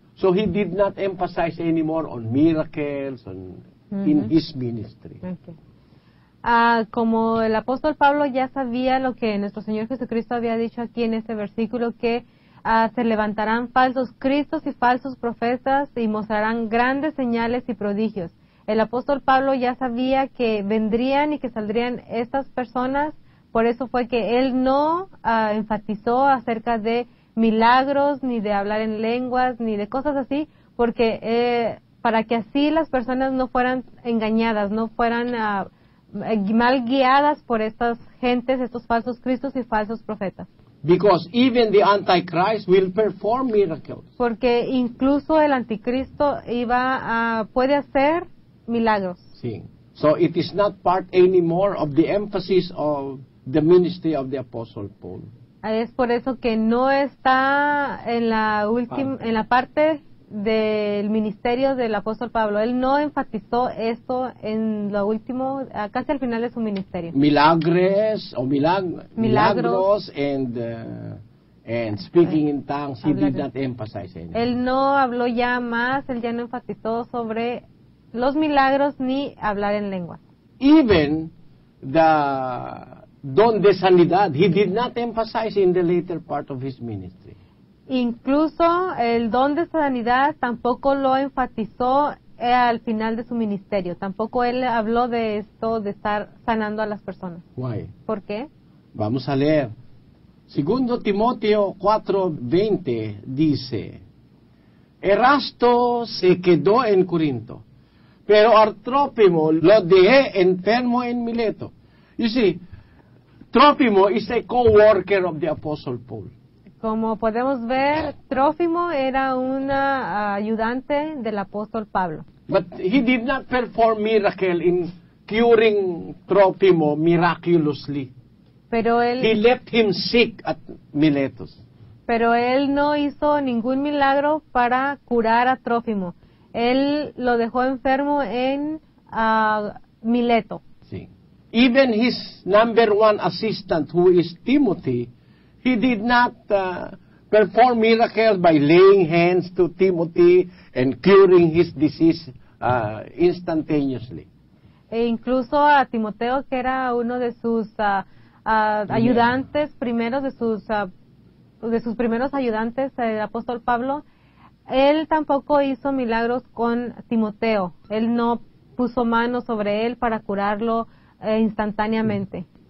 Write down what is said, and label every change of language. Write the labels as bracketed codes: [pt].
[en] So he did not emphasize anymore on miracles and in his ministry. Okay. [es] Como el apóstol Pablo ya sabía lo que nuestro Señor Jesucristo había dicho aquí en este versículo, que se levantarán falsos cristos y falsos profetas y mostrarán grandes señales y prodigios. El apóstol Pablo ya sabía que vendrían y que saldrían estas personas, por eso fue que él no enfatizó acerca de milagros, ni de hablar en lenguas, ni de cosas así, porque para que así las personas no fueran engañadas, no fueran mal guiadas por estas gentes, estos falsos cristos y falsos profetas. [en] Because even the Antichrist will perform miracles. [es] Porque incluso el anticristo puede hacer milagros. Sí. [en] So it is not part anymore of the emphasis of the ministry of the Apostle Paul. [es] Es por eso que no está en la en la parte del ministerio del apóstol Pablo. Él no enfatizó esto en lo último, casi al final de su ministerio. Milagres o milagros and [en] And speaking in tongues, he did not emphasize anything. [es] Él no habló ya más, él ya no enfatizó sobre los milagros ni hablar en lengua. [en] Even the [es] don de sanidad, [en] he did not emphasize in the later part of his ministry. [es] Incluso el don de sanidad tampoco lo enfatizó al final de su ministerio. Tampoco él habló de esto, de estar sanando a las personas. [en] Why? [es] ¿Por qué? Vamos a leer. Segundo Timoteo 4:20 dice, Erasto se quedó en Corinto, pero Artrópimo lo dejé enfermo en Mileto. [en] You see, Trófimo is a co-worker of the Apostle Paul. [es] Como podemos ver, Trófimo era un ayudante del apóstol Pablo. [en] But he did not perform miracle in curing Trófimo miraculously. [es] Pero él, [en] he left him sick at Miletus. [es] Pero él no hizo ningún milagro para curar a Trófimo. Él lo dejó enfermo en Mileto. Sí. [en] Even his number one assistant, who is Timothy, he did not perform miracles by laying hands to Timothy and curing his disease instantaneously. [es] E incluso a Timoteo, que era uno de sus ayudantes primeros, de sus primeros ayudantes, el apóstol Pablo, él tampoco hizo milagros con Timoteo. Él no puso manos sobre él para curarlo instantáneamente.